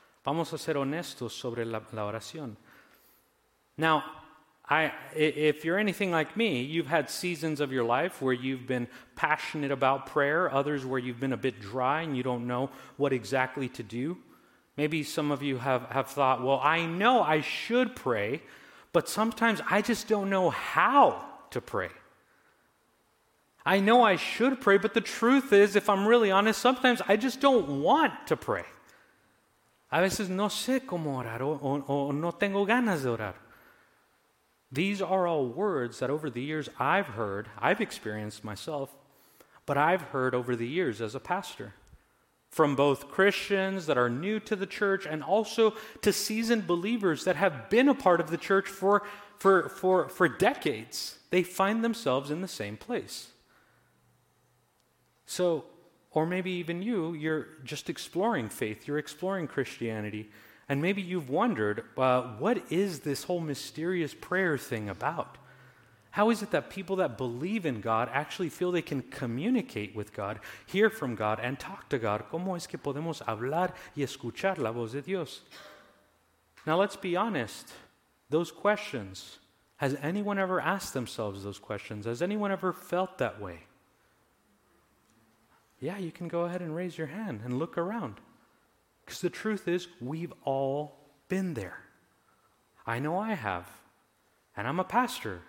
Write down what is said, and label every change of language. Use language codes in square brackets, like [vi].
[es] Vamos a ser honestos sobre la oración. [en] Now, if you're anything like me, you've had seasons of your life where you've been passionate about prayer, others where you've been a bit dry and you don't know what exactly to do. Maybe some of you have thought, well, I know I should pray, but sometimes I just don't know how to pray. I know I should pray, but the truth is, if I'm really honest, sometimes I just don't want to pray. [es] A veces no sé cómo orar o no tengo ganas de orar. [en] These are all words that over the years I've heard, I've experienced myself, but I've heard over the years as a pastor from both Christians that are new to the church and also to seasoned believers that have been a part of the church for decades. They find themselves in the same place. So, or maybe even you're just exploring faith, you're exploring Christianity. And maybe you've wondered, what is this whole mysterious prayer thing about? How is it that people that believe in God actually feel they can communicate with God, hear from God, and talk to God? [es] ¿Cómo es que podemos hablar y escuchar la voz de Dios? [en] Now, let's be honest. Those questions, has anyone ever asked themselves those questions? Has anyone ever felt that way? Yeah, you can go ahead and raise your hand and look around. Because the truth is, we've all been there. I know I have. And I'm a pastor.